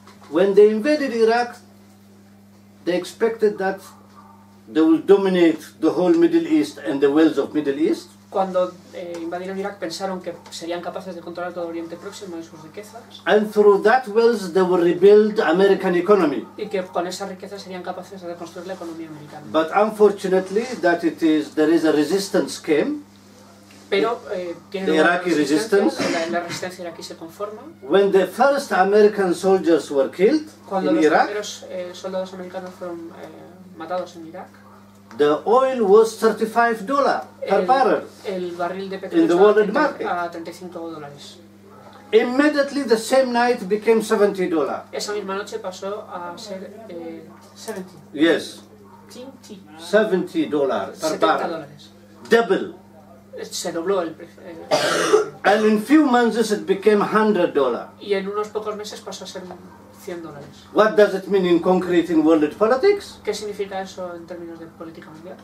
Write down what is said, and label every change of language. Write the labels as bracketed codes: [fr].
[en] When they invaded Iraq, they expected that they will dominate the whole Middle East and the wealth of Middle East. [es] Cuando invadieron Irak, pensaron que serían capaces de controlar todo Oriente Próximo y sus riquezas. [en] And through that wealth, they will rebuild American economy. [es] Y que con esa riqueza serían capaces de reconstruir la economía americana. [en] But unfortunately, that it is there is a resistance came. [es] Pero [en] tiene Iraqi resistance. [es] La resistencia iraquí se conforma. [en] When the first American soldiers were killed [es] cuando [en] in [es] los [en] Iraq, [es] primeros soldados americanos fueron matados en Irak. [en] The oil was $35 per barrel. [es] El barril de petróleo estaba a $35. [en] Immediately the same night became $70. [es] Esa misma noche pasó a ser $70. [en] Yes. $70 per barrel. Double. [es] Se dobló el precio. [en] And in few months it became $100. [es] Y en unos pocos meses pasó a ser $100. [en] What does it mean in concrete in world politics? [es] ¿Qué significa eso en términos de política mundial?